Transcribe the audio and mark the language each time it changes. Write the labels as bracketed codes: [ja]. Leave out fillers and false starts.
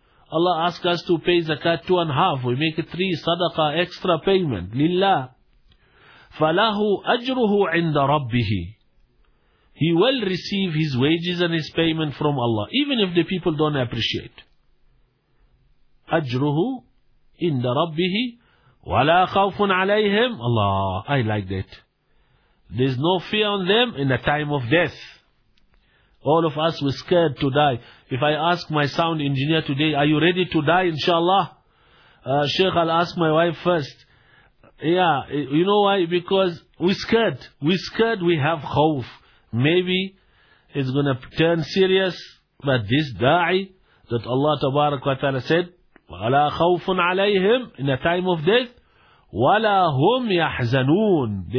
[en] Allah asked us to pay zakat 2.5, we make it 3, sadaqah, extra payment, lillah. [ar] Falahu ajruhu inda rabbihi. [en] He will receive his wages and his payment from Allah, even if the people don't appreciate. [ar] أجره عند ربه ولا خوف عليهم. [en] Allah, I like that. There's no fear on them in the time of death. All of us were scared to die. If I ask my sound engineer today, are you ready to die, inshallah? Sheikh, I'll ask my wife first. Yeah, you know why? Because we're scared. We're scared, we have khawf. Maybe it's going to turn serious, but this da'i that Allah tabarak wa ta'ala said, [ar] وَلَا خَوْفٌ عَلَيْهِمْ [en] in a time of death, [ar] وَلَا هُمْ يَحْزَنُونَ.